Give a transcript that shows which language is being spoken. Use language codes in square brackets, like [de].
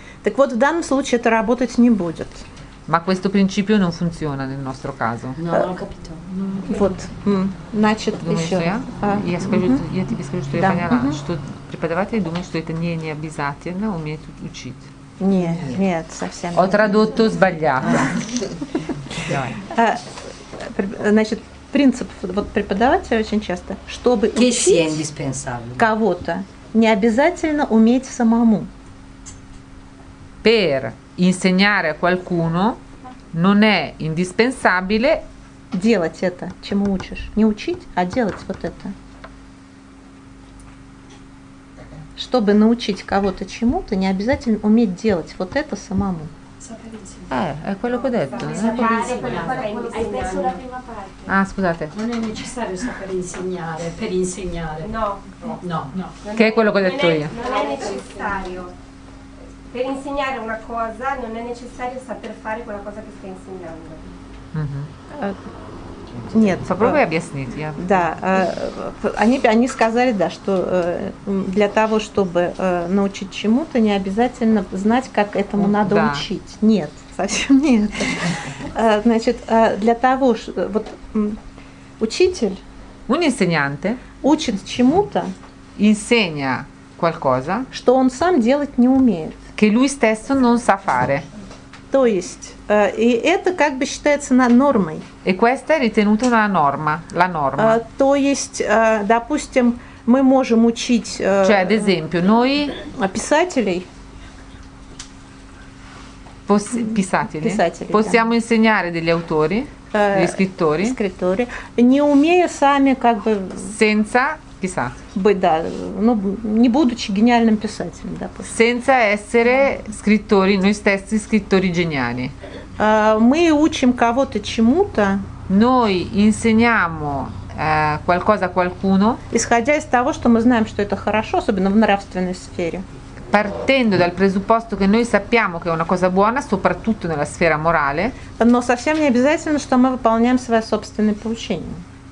[ru] Так вот, в данном случае это работать не будет. [it] Ma questo principio non funziona nel nostro caso. No, non ho capito. [ru] Вот. Значит, ещё. Я скажу, я тебе скажу, что я поняла, что преподаватель думает, что это не обязательно уметь учить. Нет, совсем нет. [it] Ho tradotto sbagliato. [ru] Значит, принцип вот преподавателя очень часто, чтобы учить кого-то, не обязательно уметь самому. [it] Per insegnare a qualcuno non è indispensabile [ru] делать это, чему учишь. Не учить, а делать вот это. Чтобы научить кого-то чему-то, не обязательно уметь делать вот это самому. [it] È quello che ho detto. Hai perso la prima parte. Ah, scusate. Non è necessario sapere insegnare per insegnare. No. Che è quello che ho detto io. Non è necessario. Per insegnare una cosa non è necessario saper fare quella cosa che stai insegnando. [ru] Нет. Попробуй объяснить. Я... Да, они сказали, да, что для того, чтобы научить чему-то, не обязательно знать, как этому надо да. учить. Нет, совсем нет. Значит, для того, вот учитель [it] Un insegnante [ru] учит чему-то, [it] insegna qualcosa, [ru] что он сам делать не умеет. [it] Che lui stesso non sa fare. [ru] То есть, и это как бы считается нормой. [it] E questa è ritenuta una norma, la norma. [ru] То есть, допустим, мы можем учить [it] cioè, ad esempio, noi [ru] писателей. Писатели. [it] Possiamo insegnare degli autori, degli scrittori. Scrittori. [ru] Не умея сами как бы. [it] Senza [ru] писать. Быть, да, ну, не будучи гениальным писателем, допустим. [it] Senza essere scrittori, noi stessi scrittori geniali. [ru] Мы учим кого-то чему-то. [it] Noi insegniamo qualcosa a qualcuno. [ru] Исходя из того, что мы знаем, что это хорошо, особенно в нравственной сфере. [it] Partendo dal presupposto che noi sappiamo che è una cosa buona, soprattutto nella sfera morale. [ru] Но совсем не обязательно, что мы выполняем свои собственные поучения.